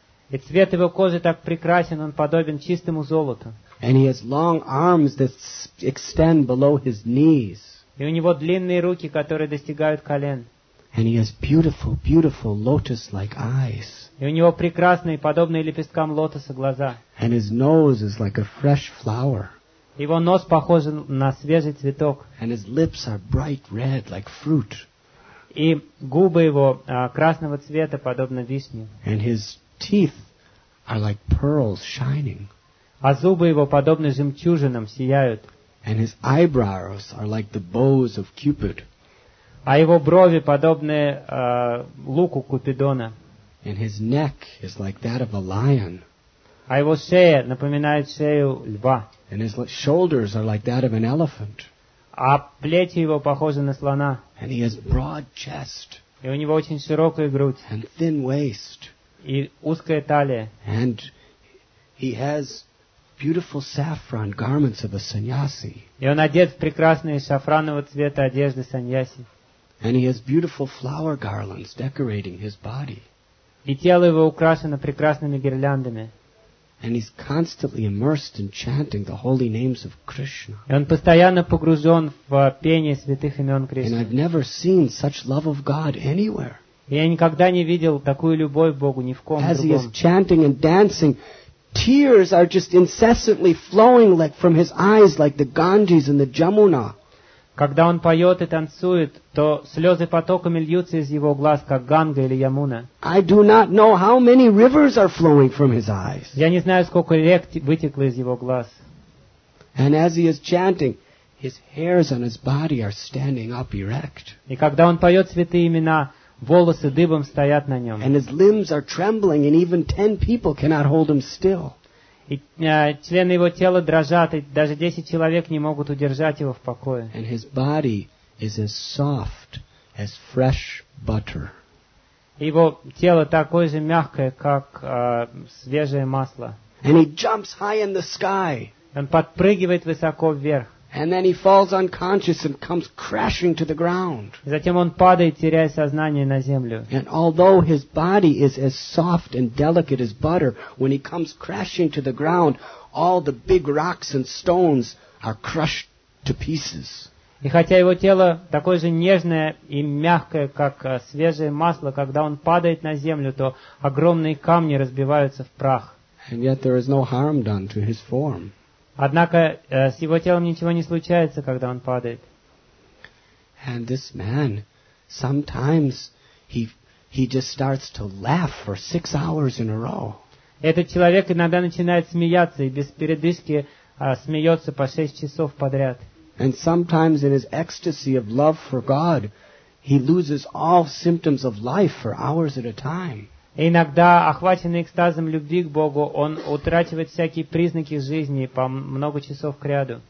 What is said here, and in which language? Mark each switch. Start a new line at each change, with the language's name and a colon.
Russian: И цвет его кожи так прекрасен, он подобен чистому золоту.
English: And he has long arms that extend below his knees.
Russian: И у него длинные руки, которые достигают колен.
English: And he has beautiful, beautiful lotus-like eyes.
Russian: И у него прекрасные, подобные лепесткам лотоса, глаза.
English: And his nose is like a fresh flower.
Russian: Его нос похож на свежий цветок.
English: And his lips are bright red, like fruit.
Russian: И губы его красного цвета, подобно вишне.
English: And his teeth are like pearls shining.
Russian: А зубы его, подобно жемчужинам, сияют.
English: And his eyebrows are like the bows of Cupid.
Russian: А его брови, подобны луку Купидона.
English: And his neck is like that of a lion.
Russian: А его шея напоминает шею льва.
English: And his shoulders are like that of an elephant.
Russian: А плечи его похожи на слона.
English: And he has broad chest.
Russian: И у него очень широкая грудь.
English: And thin waist.
Russian: И узкая талия.
English: And he has beautiful saffron garments of a sannyasi.
Russian: И он одет в прекрасные шафранового цвета одежды саньяси.
English: And he has beautiful flower garlands decorating his body.
Russian: И тело его украшено прекрасными гирляндами.
English: And he's constantly immersed in chanting the holy names of Krishna.
Russian: И он постоянно погружен в пение святых имен Кришны.
English: And I've never seen such love of God anywhere.
Russian: Я никогда не видел такую любовь к Богу ни в ком другом.
English: As he is chanting and dancing, tears are just incessantly flowing like from his eyes, like the Ganges and the Jamuna.
Russian: Когда он поет и танцует, то слезы потоками льются из его глаз, как Ганга или Ямуна.
English: I do not know how many rivers are flowing from his eyes.
Russian: Я не знаю, сколько рек вытекло из его глаз.
English: And as he is chanting, his hairs on his body are standing up erect.
Russian: И когда он поет святые имена, волосы дыбом стоят на нем.
English: And his limbs are trembling, and even 10 people cannot hold him still.
Russian: И члены его тела дрожат, и даже 10 человек не могут удержать его в покое.
English: And his body is as soft as fresh butter.
Russian: Его тело такое же мягкое, как свежее масло.
English: And he jumps high in the sky.
Russian: Он подпрыгивает высоко вверх.
English: And then he falls unconscious and comes crashing to the ground.
Russian: И затем он падает, теряя сознание, на землю.
English: And although his body is as soft and delicate as butter, when he comes crashing to the ground, all the big rocks and stones are crushed to pieces.
Russian: И хотя его тело такое же нежное и мягкое, как свежее масло, когда он падает на землю, то огромные камни разбиваются в прах.
English: And yet there is no harm done to his form.
Russian: Однако с его телом ничего не случается, когда он падает.
English: And this man, sometimes he just starts to laugh for 6 hours in a row.
Russian: Этот человек иногда начинает смеяться и без передышки смеется по 6 часов подряд.
English: And sometimes in his ecstasy of love for God, he loses all symptoms of life for hours at a time.
Russian: Иногда, охваченный экстазом любви к Богу, он утрачивает всякие признаки жизни по много часов к ряду.